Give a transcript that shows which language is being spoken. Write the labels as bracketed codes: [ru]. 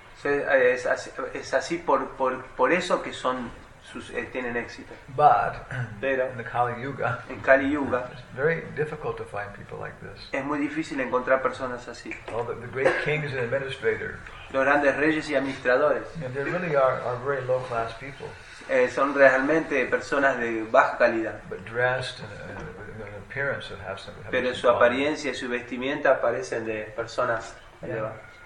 [es] Es así por eso que son sus, tienen éxito. [en] But, [es] pero [en] in the Kali Yuga, [es] en Kali Yuga [en] it's very difficult to find people like this. [es] Es muy difícil encontrar personas así. [en] Well, the great kings and administrators, [es] los grandes reyes y administradores, [en] yeah, they really are very low class people. [es] Son realmente personas de baja calidad. [en] But dressed in an appearance that have some, [es] pero su apariencia y su vestimenta parecen de personas elevadas.